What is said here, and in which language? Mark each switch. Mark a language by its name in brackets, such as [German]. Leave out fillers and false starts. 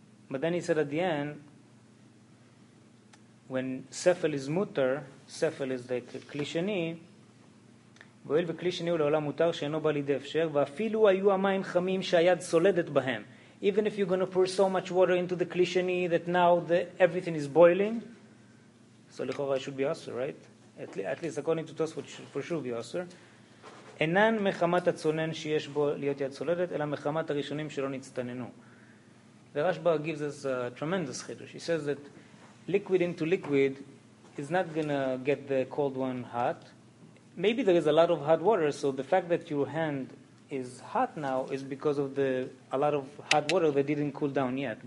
[English] But then he said at the end, when sefel is mutar, sefel is the [Hebrew] כלי שני, והואיל וכלי שני הוא לעולם מותר שאינו בא לידי אפשר, ואפילו היו המים חמים שהיד סולדת בהם. [English] Even if you're going to pour so much water into the כלי שני that now everything is boiling, so לכאורה it should be אסור, right? At least according to Tosfot, for sure be אסור. [Hebrew] אינן מחמת הצונן שיש בו להיות יד סולדת, אלא מחמת הראשונים שלא נצטננו. [English] ורשב"א gives us a tremendous חידוש. He says that liquid into liquid is not going to get the cold one hot. Maybe there is a lot of hot water, so the fact that your hand is hot now is because of the a lot of hot water that didn't cool down yet.